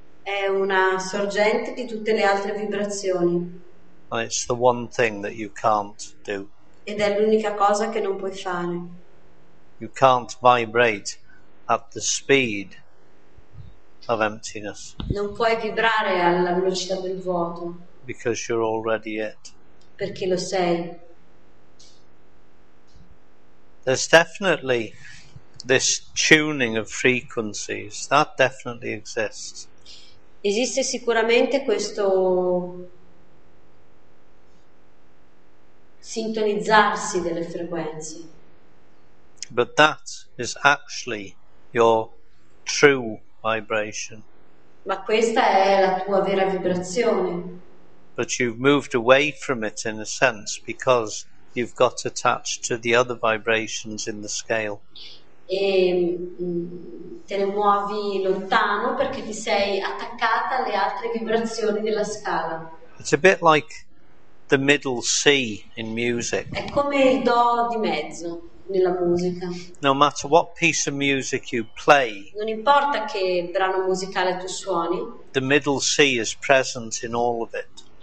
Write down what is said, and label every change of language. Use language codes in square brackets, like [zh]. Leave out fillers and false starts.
[it] è una sorgente di tutte le altre vibrazioni. [en] And it's the one thing that you can't do. [it] Ed è l'unica cosa che non puoi fare. [en] You can't vibrate at the speed of emptiness. [it] Non puoi vibrare alla velocità del vuoto. [en] Because you're already it. [it] Perché lo sei. [en] There's definitely this tuning of frequencies. That definitely exists. [it] Esiste sicuramente questo sintonizzarsi delle frequenze. [en] But that is actually your true vibration. [it] Ma questa è la tua vera vibrazione. [en] But you've moved away from it in a sense because you've got attached to the other vibrations in the scale. [it] E te ne muovi lontano perché ti sei attaccata alle altre vibrazioni della scala. [en] It's a bit like the middle C in music. [it] È come il do di mezzo nella musica. [en] No matter what piece of music you play, [it] non importa che brano musicale tu suoni, [en] the middle C is present in all of it.